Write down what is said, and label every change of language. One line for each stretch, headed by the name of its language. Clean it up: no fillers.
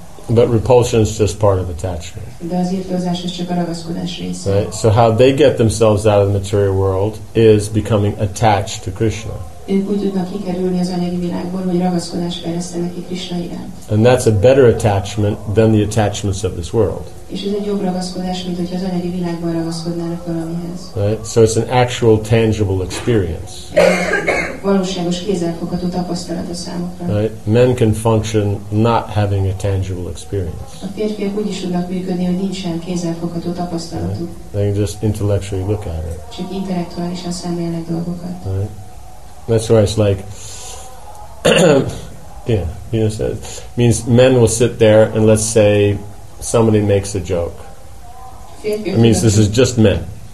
English: But repulsion is just part of attachment. Right? So how they get themselves out of the material world is becoming attached to Krishna. And that's a better attachment than the attachments of this world.
Hungarian: És ez egy jobb ragaszkodás, mint hogyha az anyagi világban ragaszkodnának valamihez.
English: Right? So it's an actual tangible experience.
Hungarian: Valóságos kézzelfogható tapasztalat a számukra.
English: Right? Men can function not having a tangible experience.
Hungarian: A férfiak úgy is tudnak működni, hogy nincsen kézzelfogható tapasztalatuk.
English: Right? They can just intellectually look at it.
Hungarian: Csak intellektuálisan szemlélnek dolgokat.
English: Right? That's why it's like, yeah, you know, so it means men will sit there and let's say somebody makes a joke. It means this is just men.